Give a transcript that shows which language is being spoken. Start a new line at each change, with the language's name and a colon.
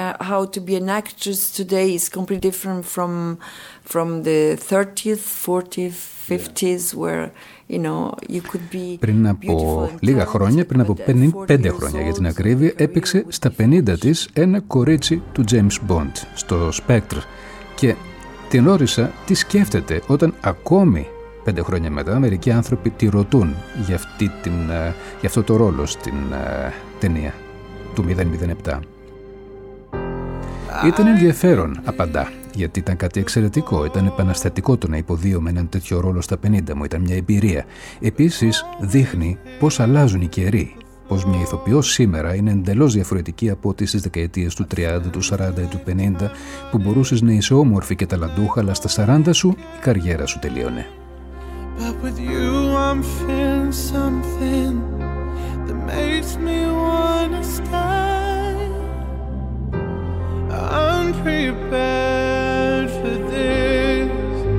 English: How to be an actress today is completely different from the 30s, 40s, 50s, where you know you could be.
Greek: Πριν από λίγα χρόνια, πριν από 5 χρόνια για την ακρίβεια, έπαιξε στα 50 της ένα κορίτσι του James Bond στο Spectre και την ρώτησα τι σκέφτεται όταν ακόμη 5 χρόνια μετά μερικοί άνθρωποι τη ρωτούν για αυτό το ρόλο στην ταινία. Του 007. Ήταν ενδιαφέρον, απαντά, γιατί ήταν κάτι εξαιρετικό. Ήταν επαναστατικό το να υποδίω με έναν τέτοιο ρόλο στα 50 μου. Ήταν μια εμπειρία. Επίσης, δείχνει πώς αλλάζουν οι καιροί. Πώς μια ηθοποιός σήμερα είναι εντελώς διαφορετική από ό,τι στις δεκαετίες του 30, του 40 ή του 50, που μπορούσες να είσαι όμορφη και ταλαντούχα, αλλά στα 40 σου η καριέρα σου τελείωνε.
English: But with you I'm feeling something. Makes me wanna stay unprepared for this.